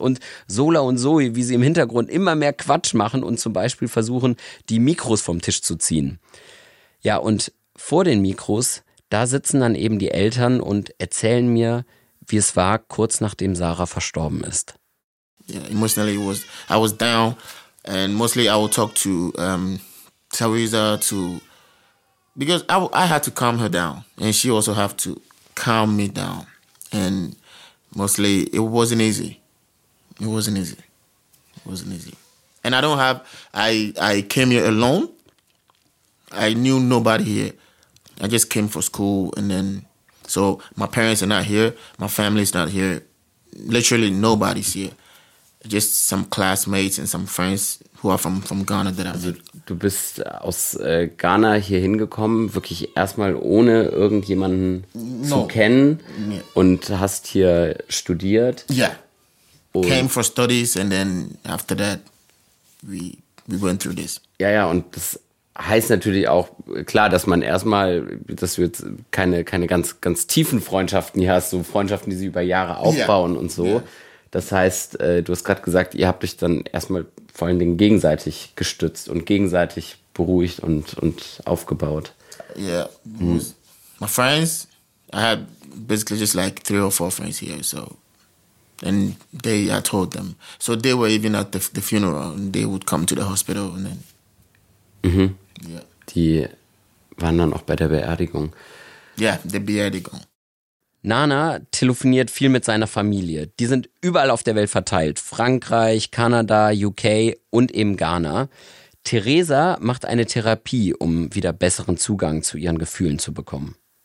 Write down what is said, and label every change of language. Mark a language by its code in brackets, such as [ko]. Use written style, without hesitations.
[de] Und Sola und Zoe, wie sie im Hintergrund immer mehr Quatsch machen und zum Beispiel versuchen, die Mikros vom Tisch zu ziehen. Ja, und vor den Mikros, da sitzen dann eben die Eltern und erzählen mir, wie es war, kurz nachdem Sarah verstorben ist. [en] Yeah, emotionally I was down, and mostly I would talk to Theresa to, because I had to calm her down, and she also have to calm me down, and mostly it wasn't easy, and I came here alone. I knew nobody here. I just came for school, and then so my parents are not here, my family's not here, literally nobody's here. Just some classmates and some friends who are from Ghana that I [de] also, du bist aus Ghana hier hingekommen, wirklich erstmal ohne irgendjemanden zu kennen und hast hier studiert. [en] Yeah. Und came for studies and then after that we went through this. [de] Ja, ja, und das heißt natürlich auch, klar, dass man erstmal, dass du jetzt keine ganz, ganz tiefen Freundschaften hier hast, so Freundschaften, die sie über Jahre aufbauen und so. Yeah. Das heißt, du hast gerade gesagt, ihr habt euch dann erstmal vor allen Dingen gegenseitig gestützt und gegenseitig beruhigt und aufgebaut. [en] Yeah. My friends, I had basically just like 3 or 4 friends here, so. And they, I told them. So they were even at the funeral and they would come to the hospital and then. Mhm. Yeah. [de] Die waren dann auch bei der Beerdigung. [en] Yeah, the Beerdigung. [de] Nana telefoniert viel mit seiner Familie. Die sind überall auf der Welt verteilt. Frankreich, Kanada, UK und eben Ghana. Theresa macht eine Therapie, um wieder besseren Zugang zu ihren Gefühlen zu bekommen.